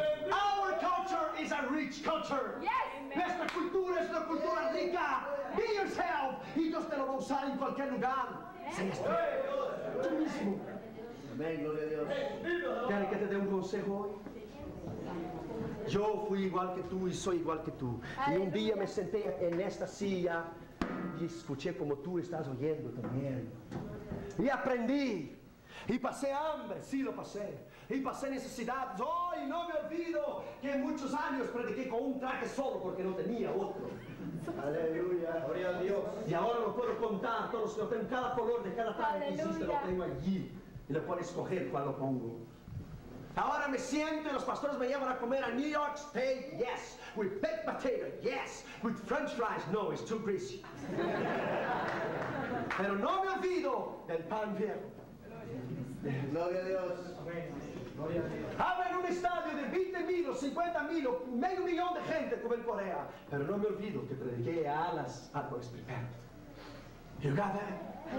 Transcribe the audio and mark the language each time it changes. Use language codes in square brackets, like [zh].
[en] Our culture is a rich culture. Yes. [es] Nuestra cultura es una cultura rica. [en] Be yourself. [es] Y Dios te lo va a usar en cualquier lugar. Seas tú. Tú mismo. Amén, gloria a Dios. ¿Quiere que te dé un consejo hoy? Yo fui igual que tú y soy igual que tú. Y un día me senté en esta silla y escuché como tú estás oyendo también. Y aprendí. Y pasé hambre, sí lo pasé. Y pasé necesidad. Hoy no me olvido que muchos años prediqué con un traje solo porque no tenía otro. Aleluya. Gloria a Dios. Y ahora lo puedo contar. Todos lo tengo, cada color de cada traje que hiciste lo tengo allí. Y lo puedo escoger cuál lo pongo. Ahora me siento y los pastores me llevan a comer a New York Steak, [en] yes. With baked potato, yes. With french fries, no, it's too greasy. [es] Pero no me olvido del pan viejo. Gloria a Dios. Abren un estadio de 20.000 o 50.000 o medio millón de gente como en Corea. Pero no me olvido que prediqué a alas a los primeros. [en] You got that?